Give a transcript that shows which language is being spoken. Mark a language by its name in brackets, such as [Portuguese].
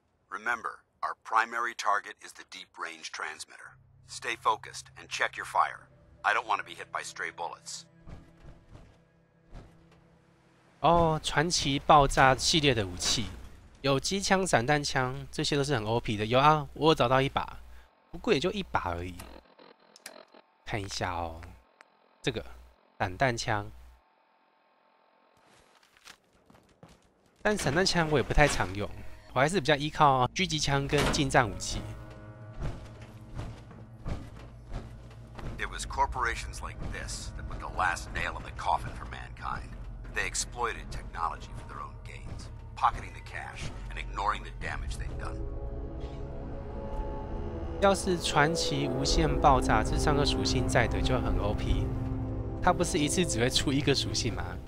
[English] Remember, our primary target is the deep range transmitter. Stay focused and check your fire. I don't want to be hit by stray bullets. [Chinese] 哦，传奇爆炸系列的武器，有机枪、散弹枪，这些都是很 OP 的。有啊，我有找到一把，不过也就一把而已。看一下哦，这个散弹枪，但散弹枪我也不太常用。我还是比较依靠狙击枪跟近战武器。 [English] It was corporations like this that put the last nail in the coffin for mankind. They exploited technology for their own gains, pocketing the cash and ignoring the damage they've done. [Chinese] 要是传奇无限爆炸这三个属性在的就很 OP， 它不是一次只会出一个属性吗？